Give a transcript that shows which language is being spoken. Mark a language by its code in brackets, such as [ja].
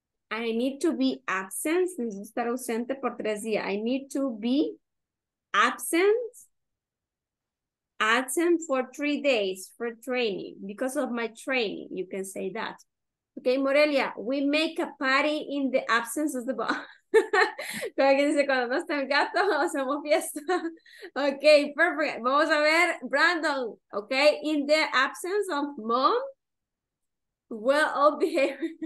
[en] I need to be absent. [es] Necesito estar ausente por 3 días. [en] I need to be absent for 3 days for training because of my training. You can say that. Okay, Morelia, we make a party in the absence of the boss. [es] Como alguien dice, cuando no está el gato, hacemos fiesta. [en] Okay, perfect. [es] Vamos a ver, Brandon. [en] Okay, in the absence of mom, well, all behavior.